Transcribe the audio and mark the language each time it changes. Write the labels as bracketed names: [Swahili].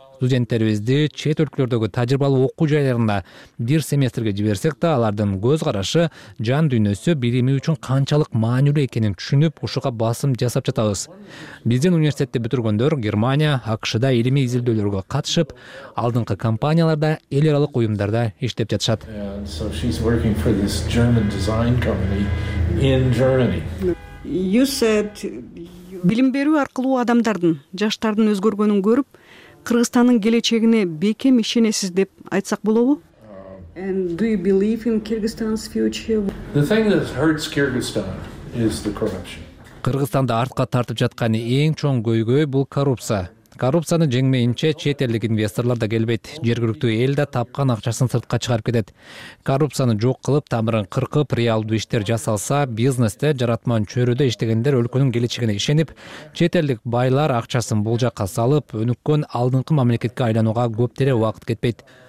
[Kyrgyz] Студенттерибизди чет өлкөлөрдөгү тажрыйбалуу окуу жайларына бир семестрге жиберсек да, алардын көз карашы, жан дүйнөсү билими үчүн канчалык маанилүү экенин түшүнүп, ушуга басым жасап жатабыз. Биздин университетти бүтүргөндөр Германия, АКШда илимий изилдөөлөргө катышып, алдыңкы компанияларда, эл аралык уюмдарда иштеп жатышат. [English] So she's working for this German design company in Germany. You said [Kyrgyz] билим берүү аркылуу адамдардын, жаштардын өзгөргөнүн көрүп, Кыргызстандын келечегине бекем ишенесиз деп айтсак болобу? [English] And do you believe in Kyrgyzstan's future? The thing that hurts Kyrgyzstan is the corruption. [Kyrgyz] Кыргызстанды артка тартып жаткан эң чоң көйгөй бул коррупция. Коррупцияны жеңмейинче чет элдик инвесторлор да келбейт. Жергиликтүү эл да тапкан акчасын сыртка чыгарып кетет. Коррупцияны жок кылып, тамырын кыркып, реалдуу иштер жасалса, бизнесте жаратман чөйрөдө иштегендер өлкөнүн келечегине ишенип, чет элдик байлар акчасын бул жакка салып, өнүккөн алдыңкы мамлекетке айланууга көптөрө убакыт кетпейт.